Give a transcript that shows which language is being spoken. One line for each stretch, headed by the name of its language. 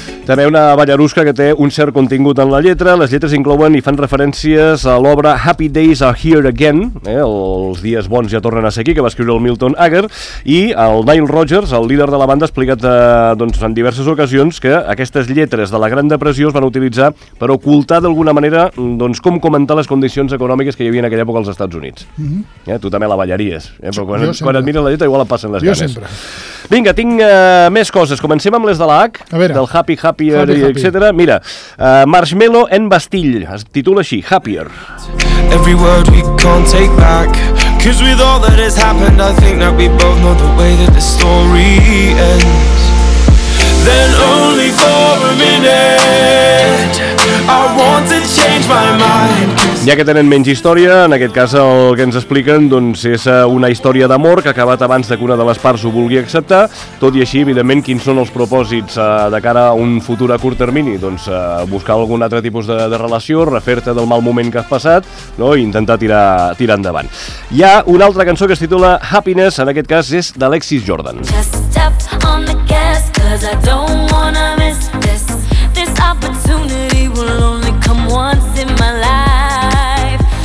Catalan: També una ballarusca que té un cert contingut en la lletra. Les lletres inclouen i fan referències a l'obra Happy Days Are Here Again, Els dies bons ja tornen a ser aquí, que va escriure el Milton Ager, i el Nile Rodgers, el líder de la banda, ha explicat en diverses ocasions que aquestes lletres de la Gran Depressió es van utilitzar per ocultar d'alguna manera com comentar les condicions econòmiques que hi havia en aquella època als Estats Units. Mm-hmm. Tu també la ballaries, però quan et mires la lletra igual et passen les jo ganes. Jo sempre. Vinga, tinc més coses. Comencem amb les de la H, del Happy Happy. Happier, etc. Mira, Marshmello en Bastille, es titula així, Happier.
English: Every word we can't take back, 'cause with all that has happened, I think that we both know the way that the story ends. Then only for a minute, I want to change my mind.
Catalan: Ja que tenen menys història, en aquest cas el que ens expliquen, doncs, és una història d'amor que ha acabat abans que una de les parts ho vulgui acceptar. Tot i així, evidentment, quins són els propòsits de cara a un futur a curt termini? Doncs buscar algun altre tipus de relació, refer-te del mal moment que has passat, no?, i intentar tirar endavant. Hi ha una altra cançó que es titula Happiness, en aquest cas és d'Alexis Jordan.
English: Just stepped on the gas, 'cause I don't wanna miss this. This opportunity will only come once in my life.